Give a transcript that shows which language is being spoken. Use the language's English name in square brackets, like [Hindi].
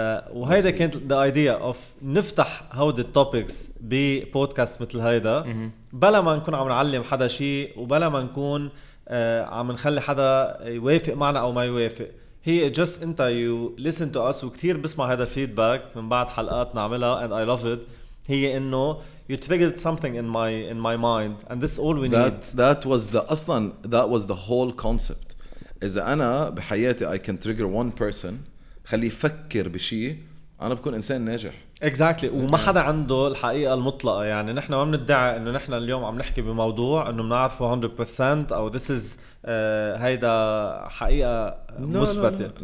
[Arabic] وهيدا كانت [English] the idea of [Arabic] نفتح هودي topics ببودكاست مثل هيدا بلا ما نكون عم نعلم حدا شيء, وبلا ما نكون عم نخلي حدا يوافق معنا أو ما يوافق. هي [English] just [Arabic] انت [English] you listen to us. [Arabic] وكتير بسمع هيدا feedback من بعد حلقات نعملها [English] and I love it. [Arabic] هي إنه [English] you triggered something in my mind and this all we that, need that was the [Arabic] أصلاً [English] that was the whole concept. [Arabic] إذا أنا بحياتي [English] I can trigger one person [Arabic] خلي يفكر بشيء أنا بكون إنسان ناجح. [English] Exactly. [Arabic] وما حدا عنده الحقيقة المطلقة. يعني نحن ما بندعي إنه نحن اليوم عم نحكي بموضوع إنه بنعرفه 100% أو [English] this is [Arabic] هيدا حقيقة مثبتة.